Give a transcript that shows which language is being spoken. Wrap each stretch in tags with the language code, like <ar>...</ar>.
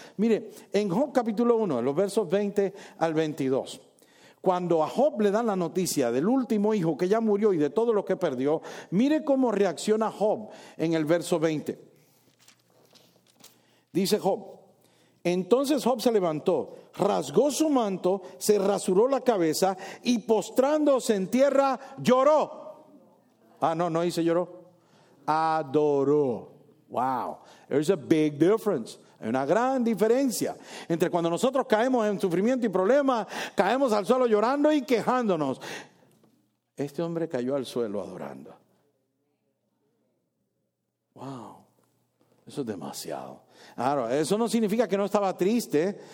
<es>Mire, en Job capítulo 1, en los versos 20 al 22, cuando a Job le dan la noticia del último hijo que ya murió y de todo lo que perdió, mire cómo reacciona Job en el verso 20. Dice Job, entonces Job se levantó, rasgó su manto, se rasuró la cabeza y postrándose en tierra lloró. Ah, no, no dice lloró. Adoró.</es> <en>Wow, there's a big difference.</en> <es>Hay una gran diferencia entre cuando nosotros caemos en sufrimiento y problemas, caemos al suelo llorando y quejándonos. Este hombre cayó al suelo adorando. Wow, eso es demasiado. Claro, eso no significa que no estaba triste.</es>